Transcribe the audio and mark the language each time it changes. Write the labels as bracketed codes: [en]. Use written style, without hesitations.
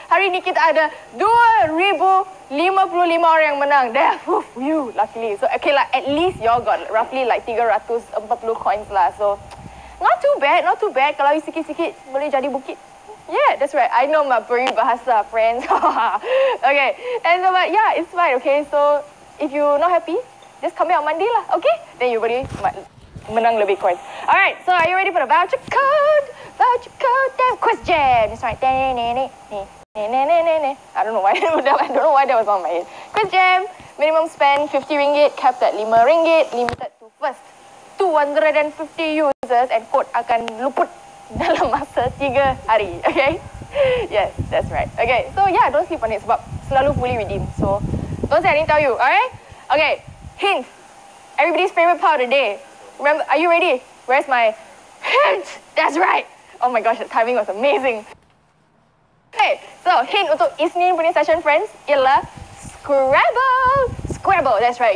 [ms] Hari ni kita ada 2,055 orang yang menang. [en] There, phew, luckily. So, okay lah, at least y'all got roughly like 340 coins lah. So, not too bad. [ms] Kalau you sikit-sikit, boleh jadi bukit. [en] Yeah, that's right. I know my peribahasa, friends. Okay, and so, but yeah, it's fine, okay? So, if you're not happy, just come here on Monday lah, okay? Then you [ms] boleh menang lebih [en] coins. Alright, so are you ready for the voucher code? Voucher code, damn quiz jam. That's right. I don't know why that was on my head. Quiz jam. Minimum spend RM50, capped at RM5. Limited to first 250 users and code [ms] akan luput dalam masa 3 hari. [en] Okay? Yes, that's right. Okay, so yeah, don't sleep on it [ms] sebab selalu [en] fully redeemed. So, don't say I didn't tell you. Alright? Okay, hint. Everybody's favorite part of the day. Remember, are you ready? Where's my hint? That's right. Oh my gosh, the timing was amazing. Okay, so hint [ms] untuk Isnin punya [en] session, friends, [ms] ialah [en] Scrabble, that's right.